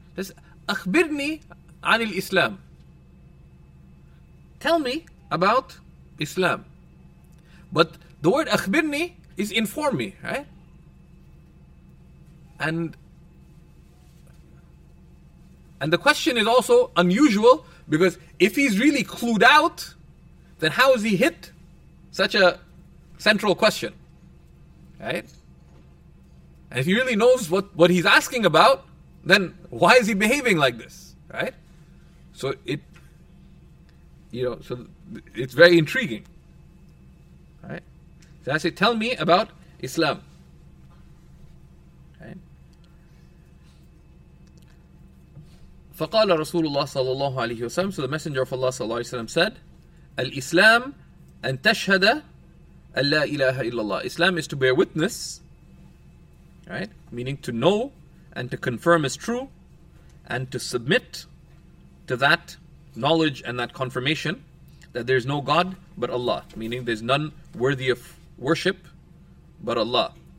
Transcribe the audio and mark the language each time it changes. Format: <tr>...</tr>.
<en>This</en> <ar>أخبرني عن الإسلام.</ar> <en>Tell me about Islam. But the word أخبرني is inform me, right? And the question is also unusual, because if he's really clued out, then how has he hit such a central question? Right? And if he really knows what he's asking about, then why is he behaving like this? Right? So it's very intriguing. Right? So I say, tell me about Islam.</en> <ar>فَقَالَ رَسُولُ اللَّهِ صَلَى اللَّهُ عَلَيْهِ وَسَلَمُ,</ar> <en>so the Messenger of Allah صلى الله عليه وسلم said,</en> <ar>الْإِسْلَامُ أَن تَشْهَدَ أَن لَا إِلَهَ إِلَّا اللَّهُ.</ar> <en>Islam is to bear witness, right? Meaning to know and to confirm as true, and to submit to that knowledge and that confirmation that there's no God but Allah, meaning there's none worthy of worship but Allah.</en>